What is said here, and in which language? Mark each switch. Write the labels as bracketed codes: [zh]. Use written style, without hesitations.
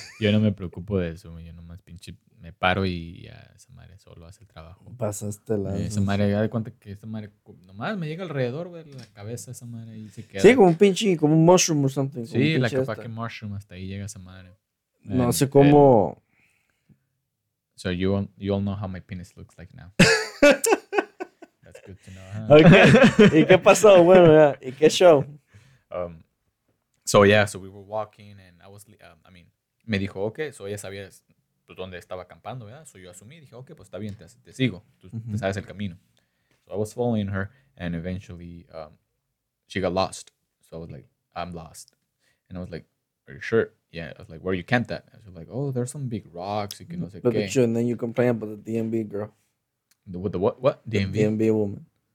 [es] Yo no me preocupo de eso, güey. Yo nomás pinche me paro y ya esa madre solo hace el trabajo. Pasaste la... esa madre, ya de cuenta que esa madre nomás me llega alrededor, güey, la cabeza esa madre y se queda. Sí, como un pinche, como un mushroom o [en] something. [es] Sí, la capa que mushroom, hasta ahí llega esa madre. No sé cómo... [en] So you all know how my penis looks like now. Good to know, huh? Okay. [es] ¿Y qué pasó? Bueno, ya. ¿Y qué show? [en] So yeah, so we were walking and I was, [es] me dijo, [en] okay, so [es] ella sabía pues, dónde estaba acampando, ¿verdad? [en] So yo asumí, dije, okay, pues está bien, te sigo, tú te sabes el camino. So I was following her and eventually she got lost. So I was like, I'm lost. And I was like, are you sure? Yeah, I was like, where you camped at? And she was like, oh, there's some big rocks. You can look at you and then you complain about the DMV girl. What? DMV? DMV woman.